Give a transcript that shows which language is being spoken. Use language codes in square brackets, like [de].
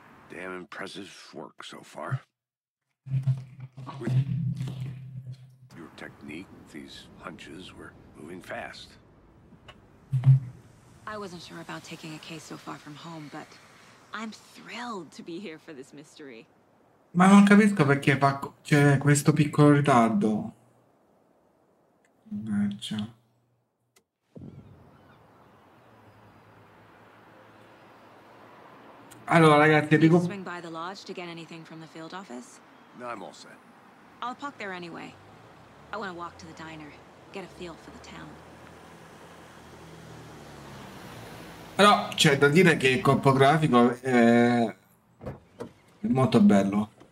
[en] Damn impressive work so far. With your technique, these hunches were moving fast. I wasn't sure about taking a case so far from home, but I'm thrilled to be here for this mystery. [it] Ma non capisco perché fa c'è questo piccolo ritardo. Mannaggia. Allora ragazzi, dico... [en] swing by the lodge to get anything from the field office? No, I'm all set. I'll park there anyway. I want to walk to the diner, get a feel for the town. [it] Però c'è da dire che il corpo grafico è molto bello.